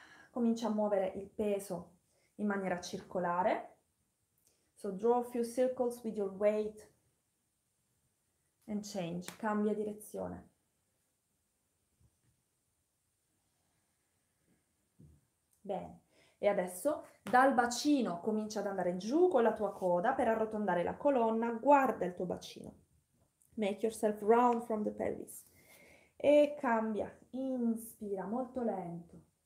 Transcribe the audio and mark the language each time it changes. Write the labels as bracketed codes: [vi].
[it] Comincia a muovere il peso in maniera circolare. [en] So draw a few circles with your weight and change, [it] cambia direzione. Bene, e adesso dal bacino comincia ad andare giù con la tua coda per arrotondare la colonna, guarda il tuo bacino. [en] Make yourself round from the pelvis. [it] E cambia, inspira molto lento.